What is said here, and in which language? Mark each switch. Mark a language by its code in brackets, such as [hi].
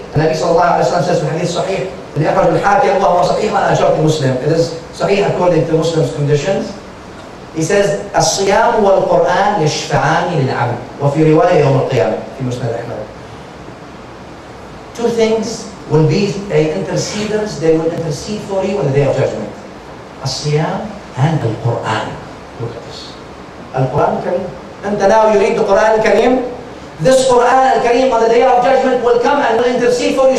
[ar] النبي صلى الله عليه وسلم [en] says [ar] في الحديث الصحيح اللي أخرج الحاكم وهو صحيح وأنا أجرت مسلم. [en] It is صحيح according to Muslim's conditions. He says [ar] الصيام والقرآن يشفعان للعبد. وفي رواية يوم القيامة في مسند أحمد. [en] Two things will be interceders, they will intercede for you on the day of judgment. الصيام and the Quran. Look at this. Al-Quran al-Kareem. أنت now you read the Quran al-Kareem. This Quran al-Kareem on the day of judgment will come and will intercede for you.